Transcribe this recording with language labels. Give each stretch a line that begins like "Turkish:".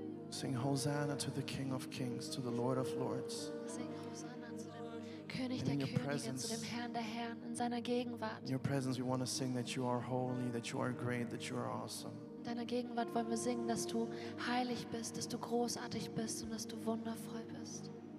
English: Sing Hosanna to the King of Kings, to the Lord of Lords.
German: Sing Hosanna zu dem König der Könige, zu dem Herrn der Herren, in seiner Gegenwart.
English: In your presence we want to sing that you are holy, that you are great, that you are awesome.
German: In deiner Gegenwart wollen wir singen, dass du heilig bist, dass du großartig bist und dass du wundervoll bist.